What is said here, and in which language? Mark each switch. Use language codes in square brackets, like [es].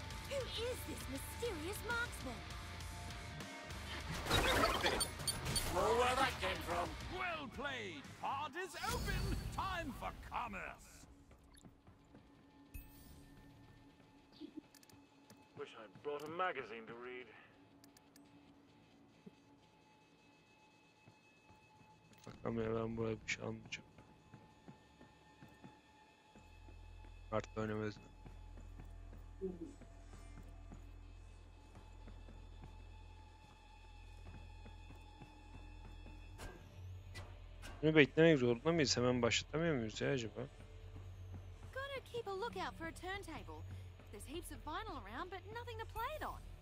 [en] Who is this mysterious marksman? Well, where that came from? Well played. Heart is open. Time for commerce. Wish I'd brought a magazine to read. [tr] Bakalım ya, ben buraya bir şey almayacağım. Kart da oynamaz mı? Bunu beklemek zorunda mıyız? Hemen başlatamıyor muyuz ya acaba? [en] Gotta keep a lookout for a turntable. There's heaps of vinyl around, but nothing to play it on.